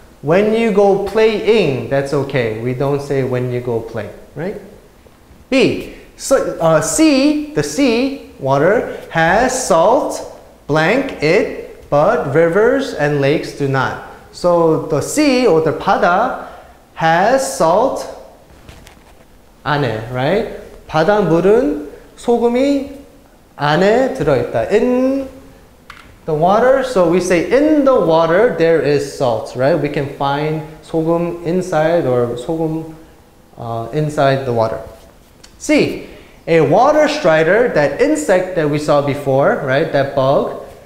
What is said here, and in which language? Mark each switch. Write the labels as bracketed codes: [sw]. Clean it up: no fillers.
[en] When you go playing, that's okay. We don't say when you go play, right? B. So, sea, the sea water has salt, blank it, but rivers and lakes do not. So the sea or the 바다 has salt [ko] 안에, [en] right? [ko] 바다 물은 소금이 안에 들어있다. [en] In the water, so we say in the water there is salt, right? We can find 소금 inside or 소금 inside the water. C. A water strider, that insect that we saw before, right? That bug.